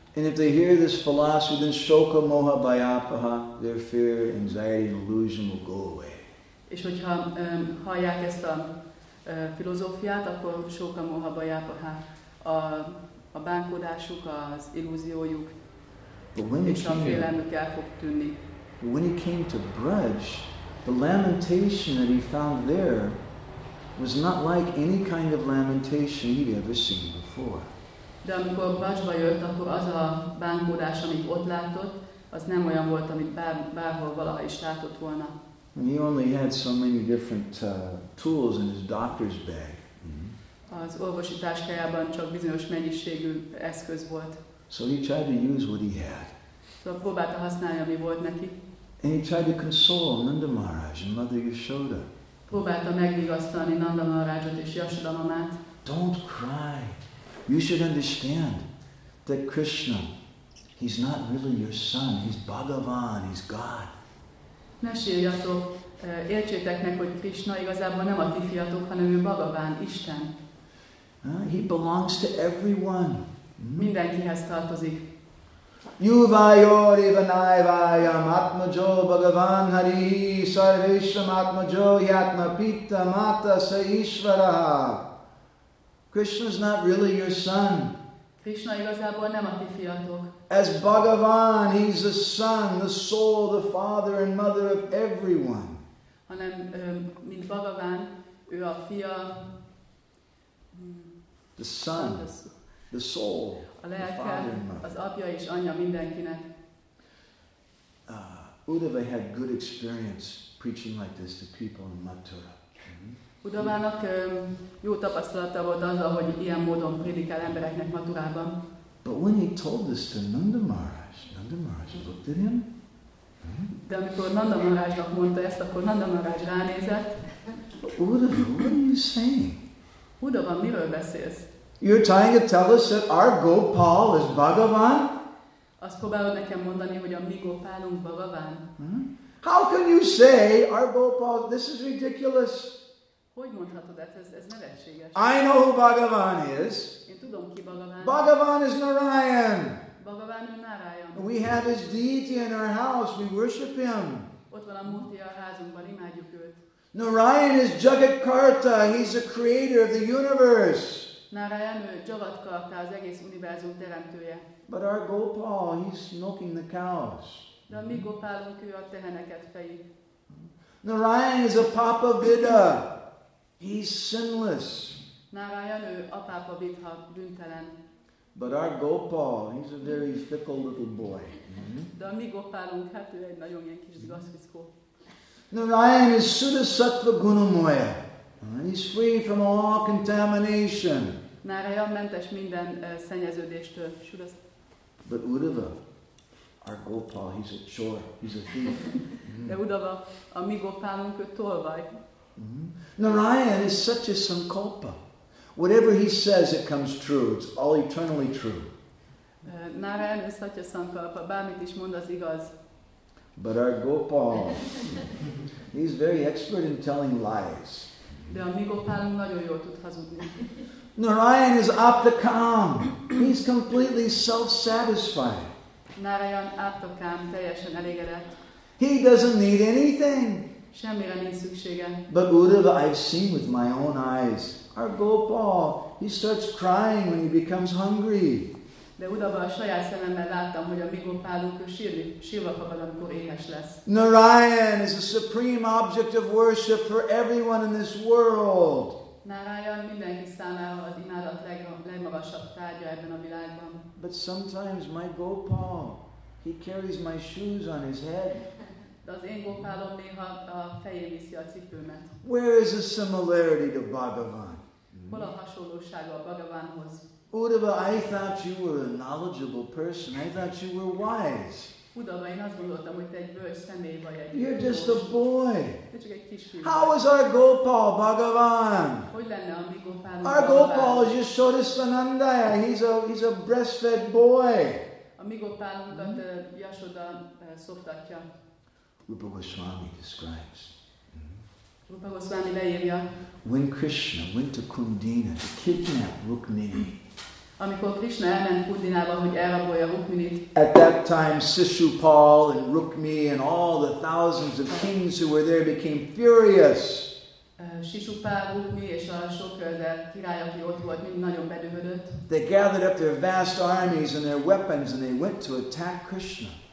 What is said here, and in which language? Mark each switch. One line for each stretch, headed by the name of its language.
English: And if they hear this philosophy, then shoka, moha, vayapaha, their fear, anxiety, and illusion will go away.
Hungarian: És hogyha hallják ezt a filozófiát, akkor shoka, moha, vayapaha, a bánkódásuk, az illúziójuk, és a félelmük el fog tűnni.
English: But when he came to Braj, the lamentation that he found there was not like any kind of lamentation he'd ever seen before.
Hungarian: De amikor Brajba jött, akkor az a bánkódás, amit ott látott, az nem olyan volt, amit bárhol valaha is látott volna.
English: And he only had so many different tools in his doctor's bag.
Hungarian: Az orvosi táskájában csak bizonyos mennyiségű eszköz volt.
English: So he tried to use what he had.
Hungarian: Szóval próbálta használni, ami volt neki.
English: And he tried to console Nanda Maharaj and Mother Yashoda.
Hungarian: Próbálta megvigasztalni Nanda Maharajot és Yashoda mamát.
English: Don't cry. You should understand that Krishna, he's not really your son. He's Bhagavan, he's God.
Hungarian: Ne sírjatok, értsétek meg, hogy Krishna igazából nem a ti fiatok, hanem ő Bhagavan, Isten.
English: He belongs to everyone.
Hungarian: Mindenkihez tartozik.
Sanskrit: Yuvayori vanayvayam atmajo bhagavan hari sarvesham atmajo yatma pita mata sa ishvara.
English: Krishna is not really your son.
Hungarian: Krishna igazából nem a ti fiatok.
English: As Bhagavan, he's the son, the soul, the father and mother of everyone.
Hungarian: Hanem, mint Bhagavan, ő a fia,
English: the son, the soul,
Hungarian: a lelke, az apja és anyja mindenkinek.
English: Uddhava had good experience preaching like this to people in Mathura.
Hungarian: Uddhavának jó tapasztalata volt azzal, hogy ilyen módon prédikál embereknek Mathurában.
English: But when he told this to Nanda Maharaj, Nanda Maharaj looked at him.
Hungarian: De amikor Nanda Maharajnak mondta ezt, akkor Nanda Maharaj ránézett.
English: Uddhava, what are you saying?
Hungarian: Uddhava, miről beszélsz?
English: You're trying to tell us that our Gopal is Bhagavan?
Hungarian: Azt próbálod nekem mondani, hogy a mi Gopálunk Bhagavan?
English: How can you say our Gopal, this is ridiculous.
Hungarian: Hogy mondhatod ezt? Ez nevetséges.
English: I know who Bhagavan is.
Hungarian: Én tudom, ki Bhagavan.
English: Bhagavan is Narayan.
Hungarian: Bhagavan ő Narayan.
English: We have his deity in our house. We worship him.
Hungarian: Ott van a Murti a házunkban, imádjuk őt.
English: Narayan is Jagatkarta. He's the creator of the universe.
Hungarian: Narayan ő Jagatkarta, az egész univerzum teremtője.
English: But our Gopal, he's milking the cows.
Hungarian: De a mi Gopálunk, ő a teheneket feji.
English: Narayan is a Papa Vidha. He's sinless.
Hungarian: Narayan ő a Papa Vidha, büntelen.
English: But our Gopal, he's a very fickle little boy.
Hungarian: De a mi Gopálunk, hát ő egy nagyon ilyen kis gazfickó.
English: Narayan is Sudasattva Gunamoya. He's free from all contamination.
Hungarian: Narayan mentes minden szennyeződéstől.
English: But Uddhava, our Gopal, he's a chore, he's a thief.
Hungarian: De Uddhava, a mi Gopálunk, ő tolvaj.
English: Narayan is such a sankalpa. Whatever he says, it comes true. It's all eternally true. Narayan is such a sankalpa.
Hungarian: Bármit is mond, az igaz.
English: But our Gopal, he's very expert in telling lies.
Hungarian: De a mi Gopálunk nagyon jól tud hazudni.
English: Narayan is aptakam. He's completely self-satisfied.
Hungarian: Narayan aptakam, teljesen elégedett.
English: He doesn't need anything.
Hungarian: Semmire nincs szüksége.
English: But Uddhava, I've seen with my own eyes. Our Gopal, he starts crying when he becomes hungry.
Hungarian: De Uddhava, a saját szememmel láttam, hogy a mi Gopálunk sírva fakad, amikor éhes lesz.
English: Narayan is a supreme object of worship for everyone in this world.
Hungarian: Narayan mindenki számára az imádat legmagasabb tárgya ebben a világban.
English: But sometimes my Gopal, he carries my shoes on his head.
Hungarian: De az én Gopálom néha a fején viszi a cipőmet.
English: Where is the similarity to Bhagavan?
Hungarian: Hol a hasonlósága a Bhagavanhoz?
English: Uddhava, I thought you were a knowledgeable person. I thought you were wise.
Hungarian: Uddhava, én azt gondoltam, hogy te egy bölcs személy vagy. Egy
English: You're just a boy.
Hungarian: Te csak egy kisfiú.
English: How is our Gopal, Bhagavan?
Hungarian: Hogy lenne a mi Gopálunk?
English: Our Gopal is Yashodasvanandaya. He's a breastfed boy.
Hungarian: A mi Gopálunkat Yashoda szoptatja.
English: Rupa Goswami describes.
Hungarian: Rupa Goswami leírja.
English: When Krishna went to Kundina to kidnap Rukmini.
Hungarian: Amikor Krishna elment Kundinába, hogy elrabolja Rukminit.
English: At that time, Sishupal and Rukmi and all the thousands of kings who were there became furious.
Hungarian: Sishupal, Rukmi és a sok király, aki ott volt, mind nagyon bedühödött.
English: They gathered up their vast armies and their weapons and they went to attack Krishna.